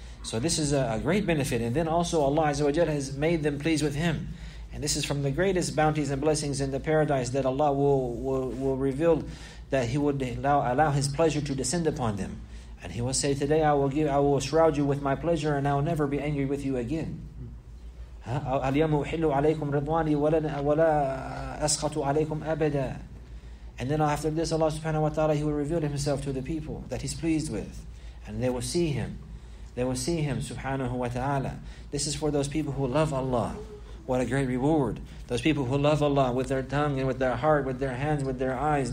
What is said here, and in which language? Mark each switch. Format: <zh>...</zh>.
<en>So this is a great benefit. And then also Allah Azza wa Jalla has made them please with Him. And this is from the greatest bounties and blessings in the paradise that Allah will reveal, that He would allow His pleasure to descend upon them. And He will say, today I will shroud you with my pleasure and I will never be angry with you again.</en> <ar>أَلْيَمُ أُحِلُّ عَلَيْكُمْ رِضْوَانِي وَلَا أَسْخَطُ عَلَيْكُمْ أَبَدًا.</ar> <en>And then after this, Allah subhanahu wa ta'ala, He will reveal Himself to the people that He's pleased with. And they will see Him. They will see Him, subhanahu wa ta'ala. This is for those people who love Allah. What a great reward. Those people who love Allah with their tongue and with their heart, with their hands, with their eyes.</en>